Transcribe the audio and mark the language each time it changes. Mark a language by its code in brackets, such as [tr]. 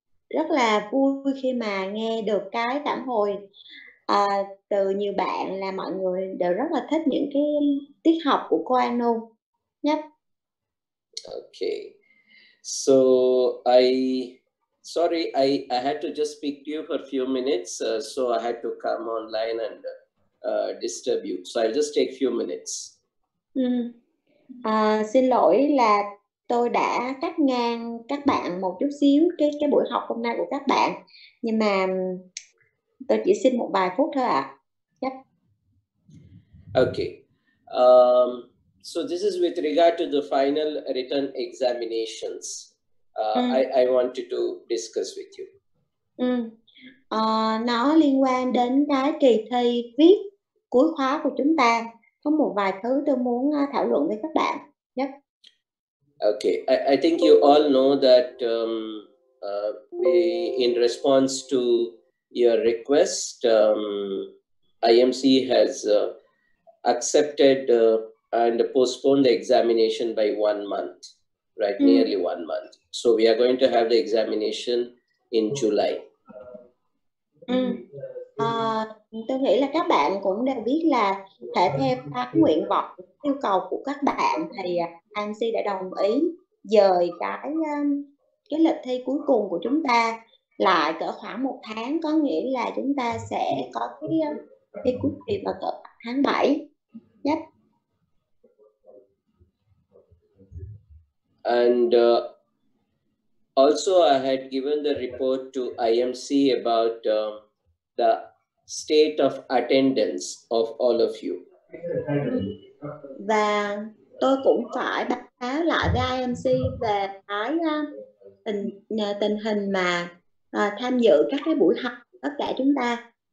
[vi] Rất là vui khi mà nghe được cái phản hồi từ nhiều bạn là mọi người đều rất là thích những cái tiết học của cô Anu nhất. [en] Okay, so I had to just speak to you for a few minutes, so I had to come online and disturb you. So I'll just take a few minutes. [vi] Xin lỗi là tôi đã cắt ngang các bạn một chút xíu cái buổi học hôm nay của các bạn, nhưng mà tôi chỉ xin một vài phút thôi ạ. [en] Yep. Okay. So this is with regard to the final written examinations. I wanted to discuss with you. [vi] Nó liên quan đến cái kỳ thi viết cuối khóa của chúng ta. Có một vài thứ tôi muốn thảo luận với các bạn. [en] Yep. Okay. I think you all know that we, in response to your request, IMC has accepted and postponed the examination by 1 month, right? Nearly 1 month. So we are going to have the examination in July. [vi] Tôi nghĩ là các bạn cũng đều biết là thể theo các nguyện vọng, yêu cầu của các bạn thì IMC đã đồng ý dời cái lịch thi cuối cùng của chúng ta lại cỡ khoảng một tháng, có nghĩa là chúng ta sẽ có cái cuối kỳ vào cỡ tháng 7. Yep. [en] And also I had given the report to IMC about the state of attendance of all of you. [vi] Và tôi cũng phải báo cáo lại với IMC về cái tình hình mà tham dự các cái buổi học tất cả chúng ta.